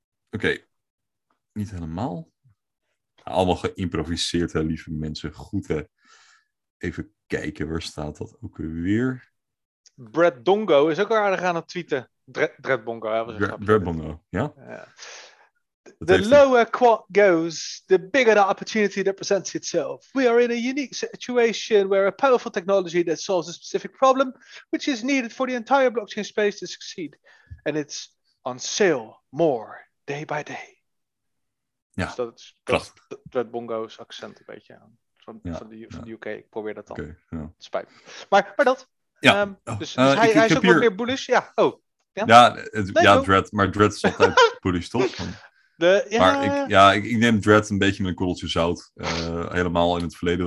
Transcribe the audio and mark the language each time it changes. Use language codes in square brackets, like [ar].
[nl] Oké. Niet helemaal. Allemaal geïmproviseerd, hè, lieve mensen. Goed, hè. Even kijken, waar staat dat ook weer? Brad Dongo is ook al aardig aan het tweeten. Dread Bongo, ja. Dread Bongo, ja. [en] The lower quant goes, the bigger the opportunity that presents itself. We are in a unique situation where a powerful technology that solves a specific problem, which is needed for the entire blockchain space to succeed. And it's on sale more, day by day. [nl] Ja, dus dat is prachtig. Dat Bongo's accent een beetje aan. Van de UK, ik probeer dat dan. Okay, ja. Spijt. Maar dat. Ja. Hij is ook hier wat meer bullish. Ja, oh. Ja, Dread. Maar Dread is altijd bullish, toch? Ik neem Dread een beetje met een korreltje zout. Helemaal in het verleden.